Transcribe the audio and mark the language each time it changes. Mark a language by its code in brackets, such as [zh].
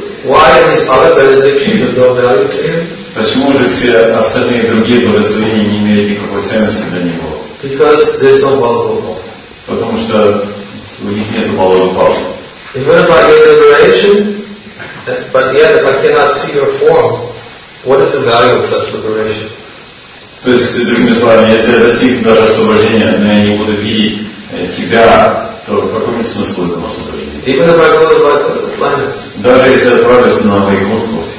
[en] Why are these other benedictions of no value to him? [ru] Почему же все остальные другие благословения не имеют никакой ценности для него? [en] Because there's no Бхагава Гупала. [ru] Потому что у них нет Бхагава Гупалы. [en] Even if I get liberation, but yet if I cannot see your form, what is the value of such liberation? [ru] То есть, другими словами, если я достиг даже освобождения, но я не буду видеть тебя, то какой смысл этого освобождения? Даже если я отправлюсь на Вайкунху,